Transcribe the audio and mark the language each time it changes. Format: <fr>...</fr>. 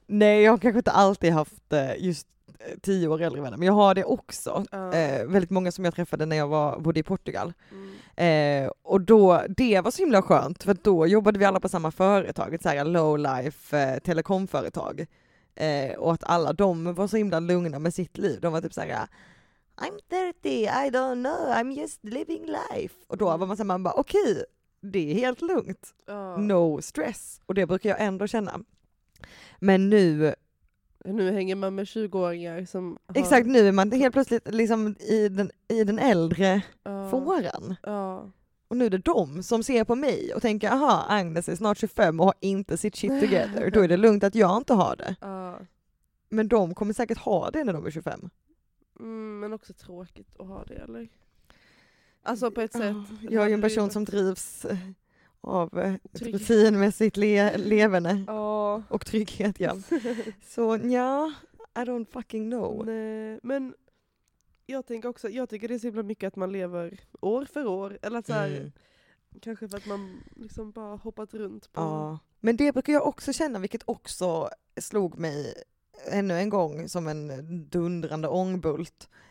<sv>Nej, jag har kanske inte alltid haft just 10 år äldre vänner. Men jag har det också. Väldigt många som jag träffade när jag bodde i Portugal. Och då, det var så himla skönt. För då jobbade vi alla på samma företag. Ett såhär low life telekomföretag. Och att alla de var så himla lugna med sitt liv. De var typ såhär,</sv> <en>I'm 30, I don't know, I'm just living life.</en> <sv>Och då var man såhär, man bara, okej, det är helt lugnt.</sv> <en>No stress.</en> <sv>Och det brukar jag ändå känna. Men nu... Nu hänger man med 20-åringar som har... Exakt, nu är man helt plötsligt liksom i den äldre fåran. Och nu är det de som ser på mig och tänker, aha, Agnes är snart 25 och har inte sitt shit together. Då är det lugnt att jag inte har det. Men de kommer säkert ha det när de är 25. Men också tråkigt att ha det, eller? Alltså på ett sätt. Jag är ju en person som drivs av rutinmässigt levande och trygghet. Ja. Så ja,</sv> <en>I don't fucking know.</en> <sv>Nej, men jag tänker också, jag tycker det är så himla mycket att man lever år för år. Eller att så här, kanske för att man liksom bara hoppat runt. På. Ja, men det brukar jag också känna, vilket också slog mig ännu en gång som en dundrande ångbult.</sv>